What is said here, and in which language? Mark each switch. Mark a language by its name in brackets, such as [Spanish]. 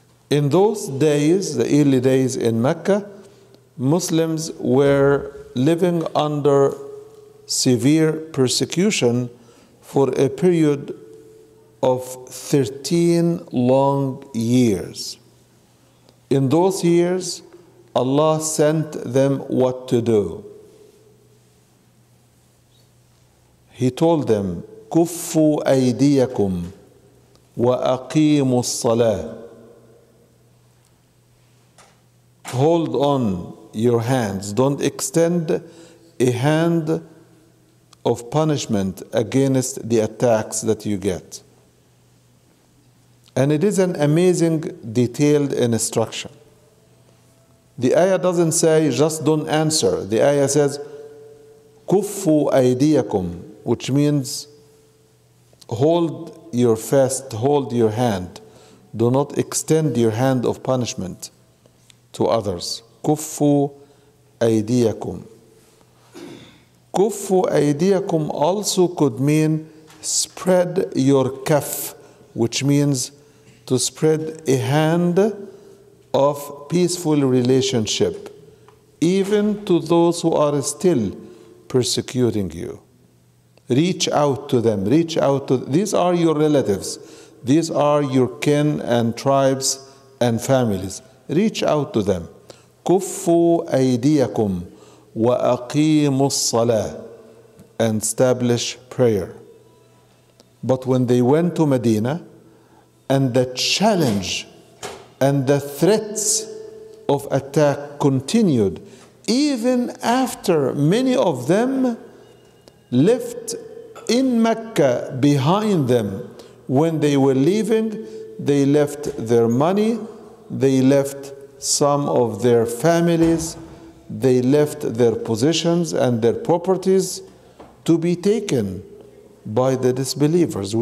[English] In those days, the early days in Mecca, Muslims were living under severe persecution for a period of 13 long years. In those years, Allah sent them what to do. He told them, [Arabic] كفوا أيديكم وأقيموا الصلاة. [English] Hold on your hands. Don't extend a hand of punishment against the attacks that you get. And it is an amazing detailed instruction. The ayah doesn't say just don't answer. The ayah says, [Arabic] كفوا أيديكم, [English] which means hold your fast, hold your hand. Do not extend your hand of punishment to others. [Arabic] كفوا أيديكم. كفوا أيديكم [English] also could mean spread your kaf, which means to spread a hand of peaceful relationship, even to those who are still persecuting you. Reach out to them, reach out to, these are your relatives, these are your kin and tribes and families. Reach out to them. [Arabic] كفوا أيديكم وأقيموا الصلاة [English] and establish prayer. But when they went to Medina, and the challenge and the threats of attack continued, even after many of them left in Mecca behind them, when they were leaving, they left their money, they left some of their families, they left their possessions and their properties to be taken by the disbelievers.